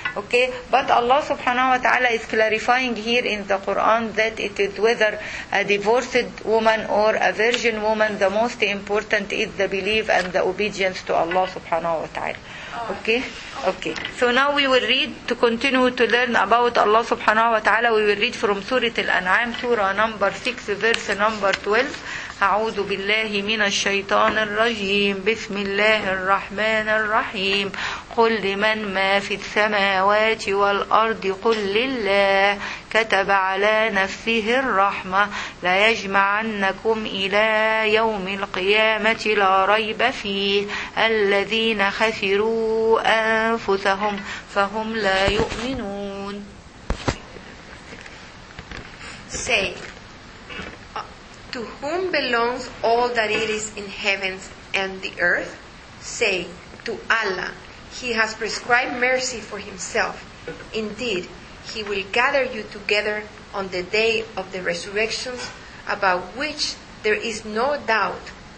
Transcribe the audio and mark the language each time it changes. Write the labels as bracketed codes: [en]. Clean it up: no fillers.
[en] Okay, but Allah subhanahu wa ta'ala is clarifying here in the Quran that it is whether a divorced woman or a virgin woman, the most important is the belief and the obedience to Allah subhanahu wa ta'ala. Okay. So now we will read to continue to learn about Allah subhanahu wa ta'ala. We will read from Surah Al-An'am, Surah number 6, verse number 12. [ar] أعوذ بالله من الشيطان الرجيم بسم الله الرحمن الرحيم قل لمن ما في السماوات والأرض قل لله كتب على نفسه الرحمة ليجمعنكم إلى يوم القيامة لا ريب فيه الذين خسروا أنفسهم فهم لا يؤمنون. [en] Say, to whom belongs all that it is in heavens and the earth? Say, to Allah. He has prescribed mercy for himself. Indeed, he will gather you together on the day of the resurrection, about which there is no doubt.